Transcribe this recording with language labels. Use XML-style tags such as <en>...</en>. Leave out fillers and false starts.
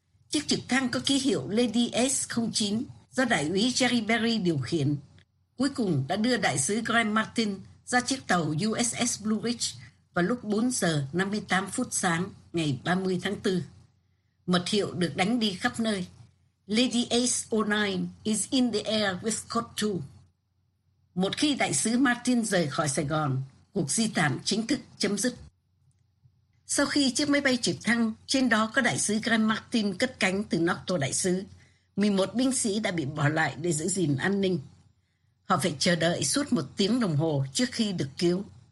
<vi>Chiếc trực thăng có ký hiệu Lady S-09 do đại úy Jerry Barry điều khiển. Cuối cùng đã đưa đại sứ Graham Martin ra chiếc tàu USS Blue Ridge vào lúc 4 giờ 58 phút sáng ngày 30 tháng 4. Mật hiệu được đánh đi khắp nơi.</vi> <en>Lady S-09 is in the air with code 2.</en> <vi>Một khi đại sứ Martin rời khỏi Sài Gòn, cuộc di tản chính thức chấm dứt. Sau khi chiếc máy bay trực thăng, trên đó có đại sứ Graham Martin cất cánh từ nóc tòa đại sứ, 11 binh sĩ đã bị bỏ lại để giữ gìn an ninh. Họ phải chờ đợi suốt 1 tiếng đồng hồ trước khi được cứu.</vi>